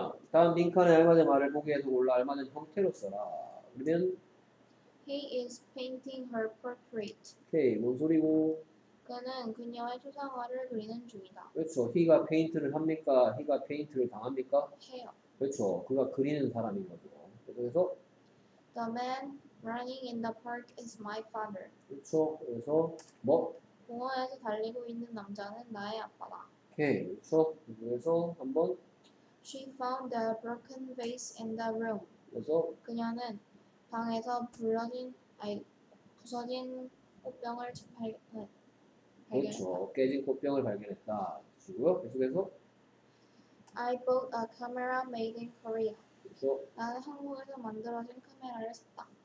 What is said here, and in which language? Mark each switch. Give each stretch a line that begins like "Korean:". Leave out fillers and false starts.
Korean: 다음 빈칸에 알맞은 말을 보기에도 몰라 알맞은 형태로 써라. 그러면
English: He is painting her portrait.
Korean: 오케이, 뭔 소리고? 그는 그녀의 초상화를 그리는 중이다. 그렇죠. He가 페인트를 합니까? He가 페인트를 당합니까? 해요. 그렇죠. 그가 그리는 사람인 거죠. 그래서
English: The man running in the park is my father.
Korean: 그렇죠. 그래서 뭐? 공원에서 달리고 있는 남자는 나의 아빠다. 오케이, 그렇죠. 그래서 한번
English: She found a broken vase in the room.
Korean: 그래서 그녀는 방에서 부러진 아이 부서진 꽃병을 발견했다. 그렇죠. 깨진 꽃병을 발견했다. 그리고 계속해서
English: I bought a camera made in Korea.
Korean: 그렇죠. 나는 한국에서 만들어진 카메라를 샀다.